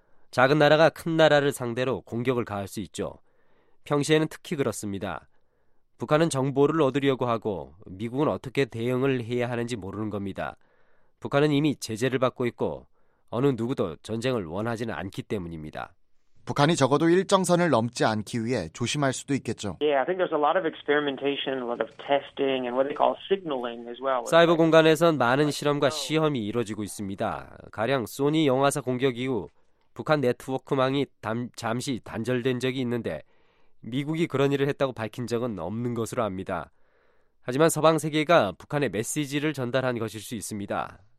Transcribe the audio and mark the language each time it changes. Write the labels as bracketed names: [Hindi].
[Korean] 작은 나라가 큰 나라를 상대로 공격을 가할 수 있죠. 평시에는 특히 그렇습니다. 북한은 정보를 얻으려고 하고 미국은 어떻게 대응을 해야 하는지 모르는 겁니다. 북한은 이미 제재를 받고 있고 어느 누구도 전쟁을 원하지는 않기 때문입니다. 북한이 적어도 일정선을 넘지 않기 위해 조심할 수도 있겠죠. [English] Yeah, I think there's a lot of experimentation, a lot of testing, and what they call signaling as well. [Korean] 사이버 공간에선 많은 실험과 시험이 이루어지고 있습니다. 가령 소니 영화사 공격 이후 북한 네트워크망이 잠시 단절된 적이 있는데 미국이 그런 일을 했다고 밝힌 적은 없는 것으로 압니다. 하지만 서방 세계가 북한에 메시지를 전달한 것일 수 있습니다.